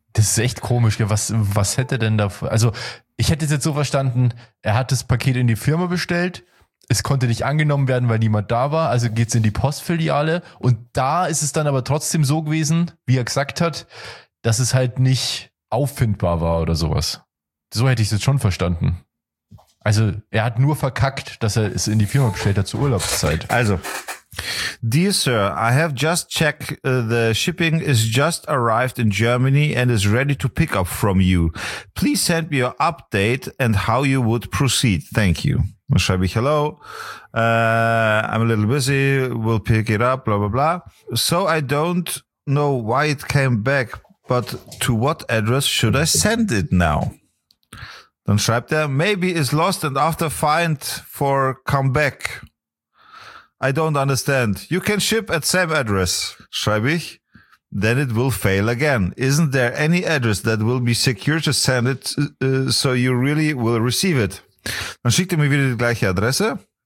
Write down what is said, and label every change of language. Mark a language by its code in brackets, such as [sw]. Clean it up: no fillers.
[de] Das ist echt komisch, was hätte denn da, also ich hätte es jetzt so verstanden, er hat das Paket in die Firma bestellt, es konnte nicht angenommen werden, weil niemand da war, also geht's in die Postfiliale und da ist es dann aber trotzdem so gewesen, wie er gesagt hat, dass es halt nicht auffindbar war oder sowas. So hätte ich es jetzt schon verstanden. Also er hat nur verkackt, dass er es in die Firma bestellt hat zur Urlaubszeit. Also. [en] Dear sir, I have just checked the shipping is just arrived in Germany and is ready to pick up from you. Please send me your update and how you would proceed. Thank you. [de] Dann schreibe ich [en] hello. I'm a little busy. We'll pick it up. Blah, blah, blah. So I don't know why it came back, but to what address should I send it now? [de] Dann schreibt er, [en] maybe it's lost and after find for come back. I don't understand. You can ship at same address, [de] schreibe ich. [en] Then it will fail again. Isn't there any address that will be secure to send it, so you really will receive it? [de] Dann schickt er mir wieder die gleiche Adresse.